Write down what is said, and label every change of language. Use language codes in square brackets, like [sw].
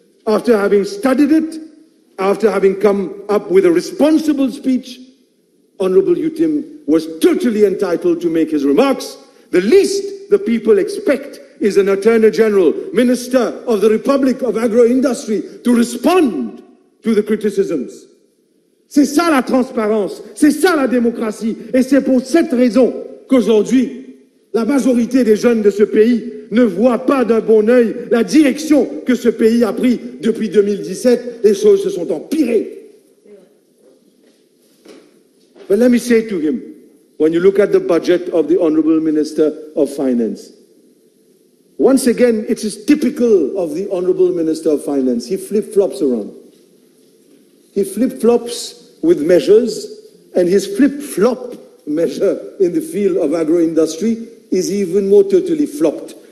[en] After having studied it, after having come up with a responsible speech, Honourable Yutim was totally entitled to make his remarks. The least the people expect is an Attorney General, Minister of the Republic of Agro-Industry, to respond to the criticisms. [fr] C'est ça la transparence, c'est ça la démocratie, et c'est pour cette raison qu'aujourd'hui, la majorité des jeunes de ce pays ne voit pas d'un bon œil la direction que ce pays a pris depuis 2017. Les choses se sont empirées. [en] But let me say to him, when you look at the budget of the Honourable Minister of Finance, once again, it is typical of the Honourable Minister of Finance. He flip-flops around. He flip-flops with measures, and his flip-flop measure in the field of agro-industry is even more totally flopped.